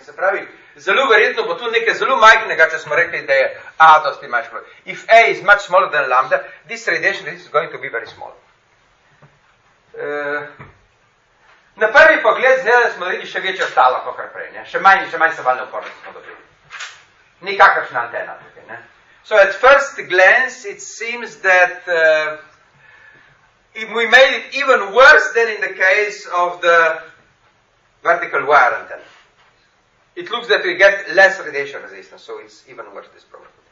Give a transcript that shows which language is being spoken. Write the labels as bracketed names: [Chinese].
[Slovenian] Se pravi, zelo verjetno bo tu nekaj zelo majhnega, če smo rekli, da je A dosti manjši. [English] If A is much smaller than lambda, this radiation resistance is going to be very small. [Slovenian] Na prvi pogled zdaj smo dobili še večjo stalo, kot prej. Ne? Še manj sebalna upornost smo dobili. Nikakršna antena tukaj. Ne? [English] So at first glance it seems that we made it even worse than in the case of the vertical wire antenna. It looks that we get less radiation resistance, so it's even worse, this problem.